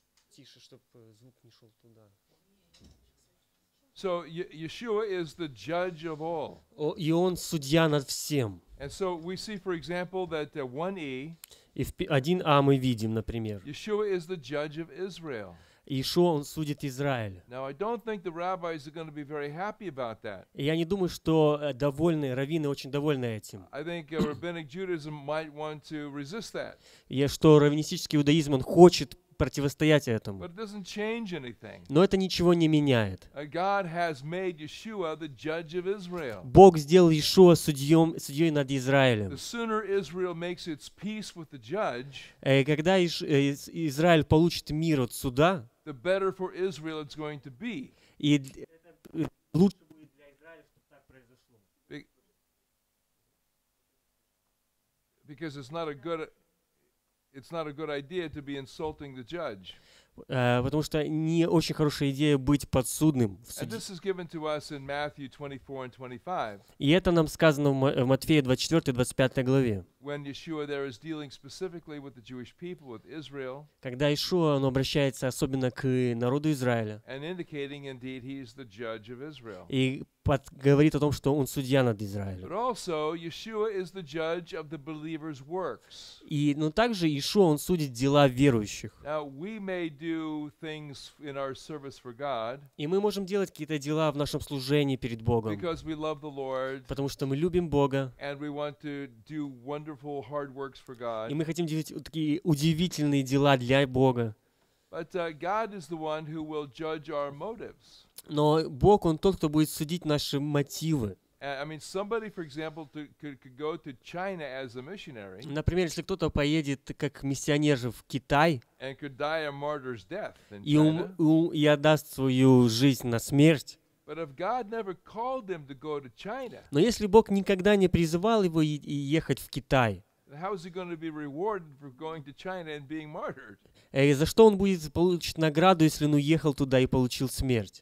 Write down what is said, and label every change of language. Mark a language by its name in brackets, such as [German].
[Russian] Тише, чтобы звук не шел туда. [English] So Yeshua is the judge of all. [Russian] И он судья над всем. [English] And so we see, for example, that 1E. [Russian] И в 1А мы видим, например, [English] Yeshua is the judge of Israel. [Russian] Иешуа, он судит Израиль. [English] Now, I don't think the rabbis are going to be very happy about that. [Russian] Я не думаю, что довольны, раввины очень довольны этим. [English] I think rabbinic Judaism might want to resist that. [Russian] Я что, раввинистический иудаизм, он хочет противостоять этому. [English] But it doesn't change anything. [Russian] Но это ничего не меняет. [English] God has made Yeshua the judge of Israel. [Russian] Бог сделал Иешуа судьей над Израилем. [English] The sooner Israel makes its peace with the judge, [Russian] когда Израиль получит мир от суда, [English] the better for Israel it's going to be. [Russian] И лучше будет для Израиля, чтобы так произошло. [English] Because it's not a good idea to be insulting the judge. [Russian] Потому что не очень хорошая идея быть подсудным в суде. [English] And this is given to us in Matthew 24 and 25. [Russian] И это нам сказано в Матфея 24 и 25 главе. [English] When Yeshua there is dealing specifically with the Jewish people, with Israel. [Russian] Когда Иешуа он обращается особенно к народу Израиля. [English] And indicating indeed he is the judge of Israel. [Russian] И говорит о том, что он судья над Израилем. [English] But also Yeshua is the judge of the believers' works. [Russian] И но также Иешуа он судит дела верующих. [English] Now we may do things in our service for God. [Russian] И мы можем делать какие-то дела в нашем служении перед Богом. [English] Because we love the Lord. [Russian] Потому что мы любим Бога. [English] And we want to do wonderful hard works for God. [Russian] И мы хотим делать такие удивительные дела для Бога. [English] But God is the one who will judge our motives. [Russian] Но Бог, Он тот, кто будет судить наши мотивы. [English] I mean, somebody, for example, could go to China as a missionary. [Russian] Например, если кто-то поедет как миссионер в Китай. [English] And could die a martyr's death in China. [Russian] И отдаст свою жизнь на смерть. [English] But if God never called them to go to China. [Russian] Но если Бог никогда не призывал его и ехать в Китай. [English] How is he going to be rewarded for going to China and being martyred? [Russian] И за что он будет получить награду, если он уехал туда и получил смерть?